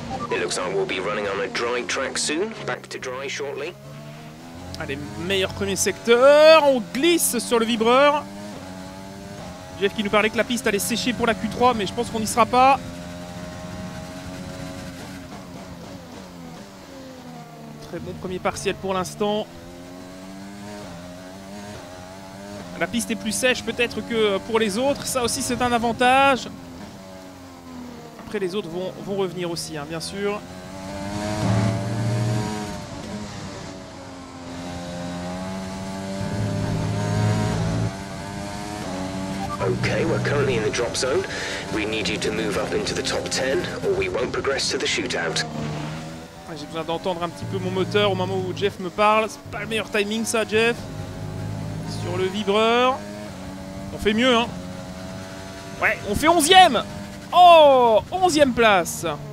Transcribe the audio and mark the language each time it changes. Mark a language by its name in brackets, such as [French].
[English] It looks like we'll be running on a dry track soon. Back to dry shortly. [French] Allez, meilleur premier secteur, on glisse sur le vibreur. Jeff qui nous parlait que la piste allait sécher pour la Q3, mais je pense qu'on n'y sera pas. Bon premier partiel pour l'instant. La piste est plus sèche peut-être que pour les autres. Ça aussi c'est un avantage. Après les autres vont revenir aussi, hein, bien sûr. [English] Okay, we're currently in the drop zone. We need you to move up into the top 10 or we won't progress to the shootout. [French] J'ai besoin d'entendre un petit peu mon moteur au moment où Jeff me parle. C'est pas le meilleur timing ça, Jeff. Sur le vibreur. On fait mieux, hein. Ouais, on fait 11e. Oh, 11e place.